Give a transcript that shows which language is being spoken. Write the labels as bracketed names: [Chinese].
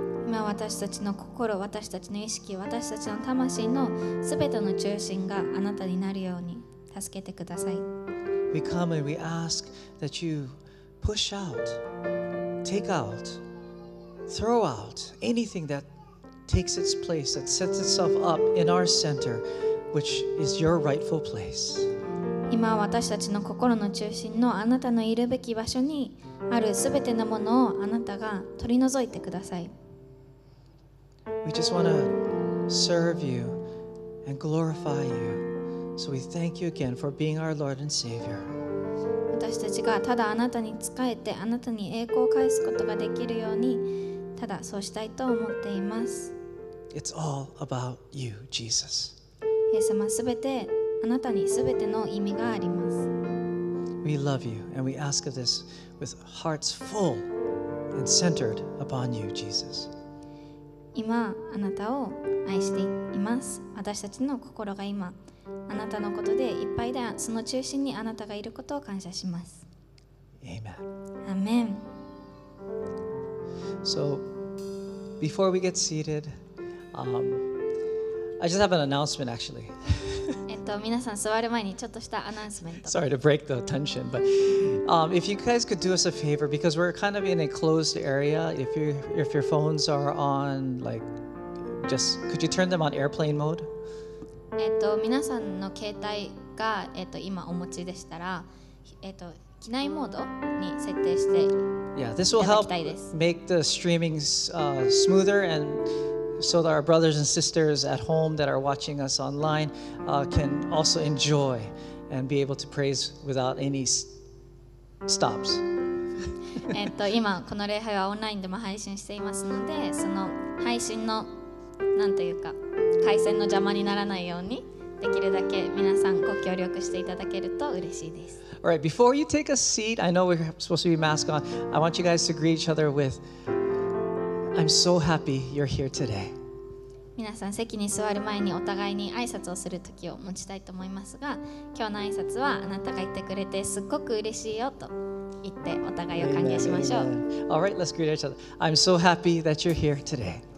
[Japanese] 今私たちの心、私たちの意識、私たちの魂のすべての中心があなたになるように助けてください。 [English] We come and we ask that you push out, take out, throw out anything that takes its place, that sets itself up in our center, which is your rightful place. [Japanese] 今私たちの心の中心のあなたのいるべき場所にあるすべてのものをあなたが取り除いてください。 [English] We just want to serve you and glorify you. So we thank you again for being our Lord and Savior. [Japanese] 私たちがただあなたに仕えてあなたに栄光を返すことができるようにただそうしたいと思っています。 [English] It's all about you, Jesus. [Japanese] イエス様すべてあなたにすべての意味があります。 [English] We love you and we ask of this with hearts full and centered upon you, Jesus. [Japanese] 今あなたを愛しています。私たちの心が今あなたのことでいっぱいで、その中心にあなたがいることを感謝します。 [English] Amen. Amen. So before we get seated, I just have an announcement actually. [Japanese] 皆さん座る前にちょっとしたアナウンスメント。 [English] Sorry to break the tension, but if you guys could do us a favor, because we're kind of in a closed area, if your phones are on, like, just could you turn them on airplane mode? [Japanese] 皆さんの携帯が今お持ちでしたら、機内モードに設定して、 [English] Yeah, this will help make the streaming smoother and. So that our brothers and sisters at home that are watching us online can also enjoy and be able to praise without any stops. [Japanese] 今この礼拝はオンラインでも配信していますので、その配信のなんというか回線の邪魔にならないようにできるだけ皆さんご協力していただけると嬉しいです。 [English] All right, before you take a seat, I know we're supposed to be mask on. I want you guys to greet each other with. I'm so happy you're here today. [Japanese] 皆さん席に座る前にお互いに挨拶をする時を持ちたいと思いますが、今日の挨拶はあなたがいてくれてすっごく嬉しいよと言ってお互いを歓迎しましょう。 [English] All right, let's greet each other. I'm so happy that you're here today.